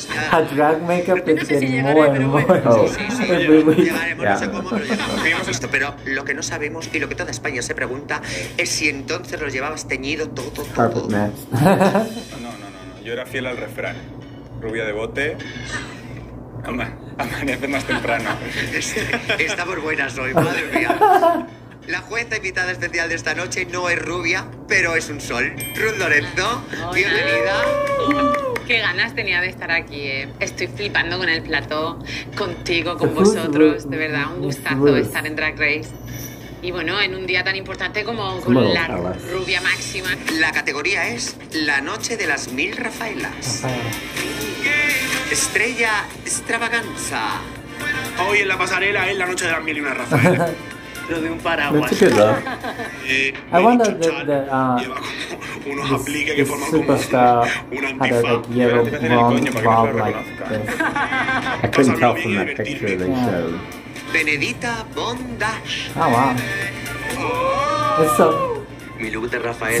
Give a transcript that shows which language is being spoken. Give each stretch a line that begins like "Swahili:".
English: Her drag makeup is getting more and more. Oh, every week. Yeah.
Spanish: Pero lo que no sabemos y lo que toda España se pregunta es si entonces lo llevabas teñido todo.
English: Carpet mat.
Spanish: No. Yo era fiel al refrán. Rubia de bote. Amanece más temprano. Estamos buenas hoy, madre mía. La jueza invitada especial de esta noche no es rubia, pero es un sol. Ruth Lorenzo, bienvenida. Qué ganas tenía de estar aquí, ¿eh? Estoy flipando con el plató, contigo, con vosotros. De verdad, un gustazo estar en Drag Race. Y bueno, en un día tan importante como con la rubia máxima. La categoría es la noche de las mil Rafaelas. Estrella extravaganza. Hoy en la pasarela es la noche de las mil y una Rafaelas.
English: That's a good look. I wonder if the superstar had a yellow blonde bob like this. I couldn't tell from that picture they showed. Benedita Bondash. Oh wow. It's so similar.